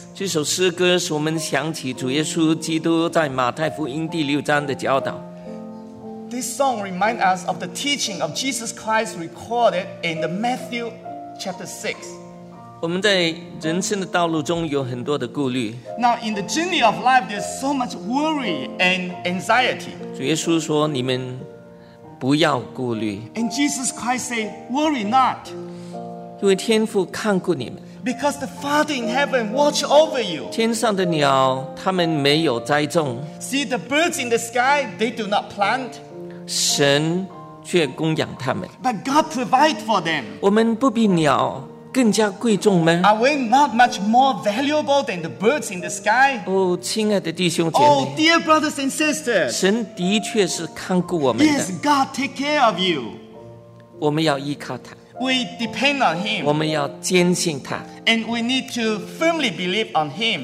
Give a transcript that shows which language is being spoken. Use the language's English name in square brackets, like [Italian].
[Chinese] 这首诗歌使我们想起主耶稣基督在马太福音第六章的教导 [English] This song reminds us of the teaching of Jesus Christ recorded in the Matthew chapter 6. [Chinese] 我们在人生的道路中有很多的顾虑 [English] Now in the journey of life there's so much worry and anxiety. [Chinese] 主耶稣说你们不要顾虑 [English] And Jesus Christ said, worry not. [Chinese] 因为天父看顾你们 [English] Because the Father in heaven watch over you [Chinese] 天上的鸟他们没有栽种 [English] See the birds in the sky they do not plant [Chinese] 神却供养他们 [English] But God provide for them [Chinese] 我们不比鸟更加贵重吗 [English] Are we not much more valuable than the birds in the sky [Chinese] 哦亲爱的弟兄姐妹 [English] Oh dear brothers and sisters [Chinese] 神的确是看顾我们的 [English] Yes God take care of you [Chinese] 我们要依靠他 [English] We depend on him. [Chinese] 我们要坚信他。 [English] And we need to firmly believe on him.